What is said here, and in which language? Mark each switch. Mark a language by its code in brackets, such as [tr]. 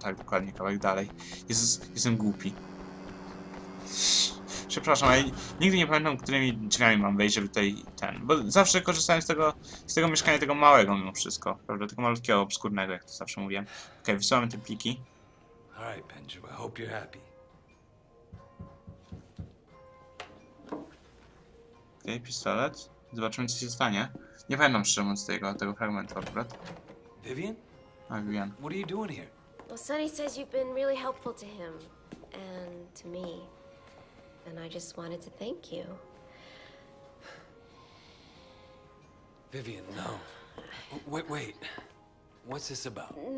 [pl] Tak, dokładnie, kawałek dalej. Jestem głupi. Przepraszam, ale nigdy nie pamiętam, którymi drzwiami mam wejść, żeby tutaj ten. Bo zawsze korzystałem z tego mieszkania, tego małego mimo wszystko, prawda? Tego malutkiego, obskurnego, jak to zawsze mówiłem. Okej, okay, wysyłamy te pliki. [en] Alright, Pendrew, I hope you're happy. [pl] Okej, okay, pistolet. Zobaczymy, co się stanie. Nie pamiętam szczerze mówiąc tego fragmentu akurat. [en] Vivian? [pl] A, Vivian. [en] What are you doing here? Well, Sonny says you've been really helpful to him. And to me. And I just wanted to thank you. Vivian, no. Wait. What's this about?